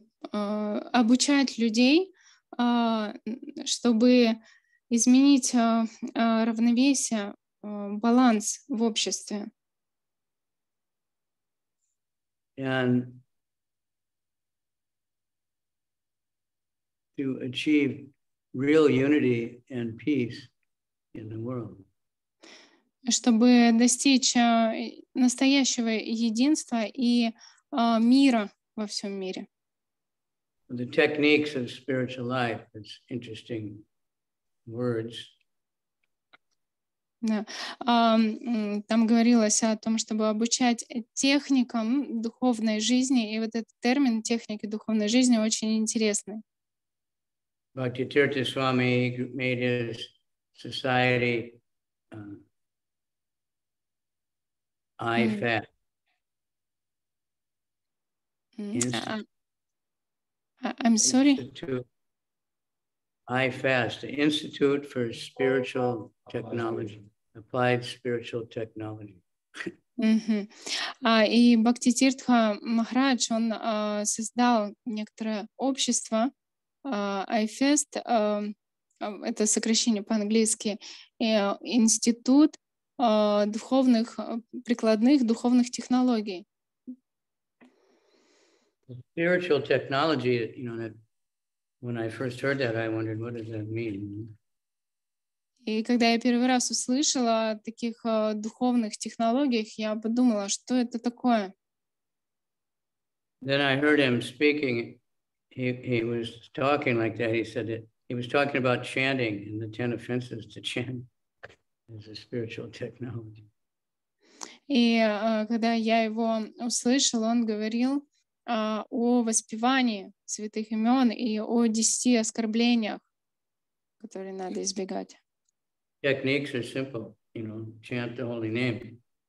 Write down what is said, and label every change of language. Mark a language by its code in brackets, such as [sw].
[ru] Обучать людей, чтобы изменить равновесие, баланс в обществе. [en] And to achieve real unity and peace in the world. [ru] Чтобы достичь настоящего единства и мира во всем мире. [en] The techniques of spiritual life, it's interesting words. [ru] Там говорилось о том, чтобы обучать техникам духовной жизни, и вот этот термин техники духовной жизни очень интересный. [en] Bhakti Tirtha Swami made his society I fat. I'm sorry. IFAST, the Institute for Spiritual Technology, Applied Spiritual Technology. [ru] И Бхакти Тиртха Махарадж, он создал некоторое общество, IFAST, это сокращение по-английски, Институт духовных, прикладных духовных технологий. [en] Spiritual technology, you know, that when I first heard that, I wondered, what does that mean? [ru] И когда я первый раз услышала о таких духовных технологиях, я подумала, что это такое? [en] Then I heard him speaking. He was talking like that. He said that he was talking about chanting and the 10 offenses to chant as a spiritual technology. [ru] И когда я его услышала, он говорил о воспевании святых имен и о 10 оскорблениях, которые надо избегать. [en] Techniques are simple, you know, chant the holy name.